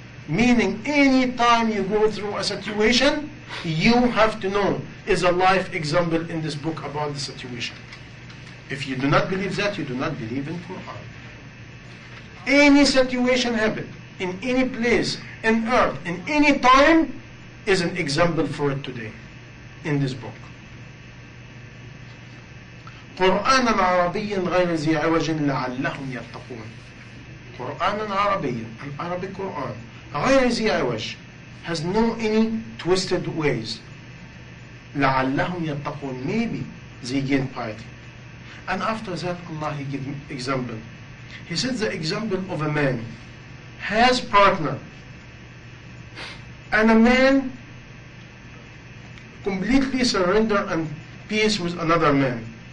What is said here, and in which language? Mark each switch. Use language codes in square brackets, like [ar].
[en] Meaning, any time you go through a situation, you have to know, is a life example in this book about the situation. If you do not believe that, you do not believe in Quran. Any situation happen, in any place, in earth, in any time, is an example for it today, in this book. [ar] قرآن عربي غير ذي عوج لعلهم يتقون. قرآن عربي, [en] an Arabic Quran, [ar] غير ذي عوج, [en] has no any twisted ways. [ar] لعلهم يتقون, [en] maybe they gain piety. And after that, Allah He gave example. He said the example of a man has partner, and a man completely surrender and peace with another man.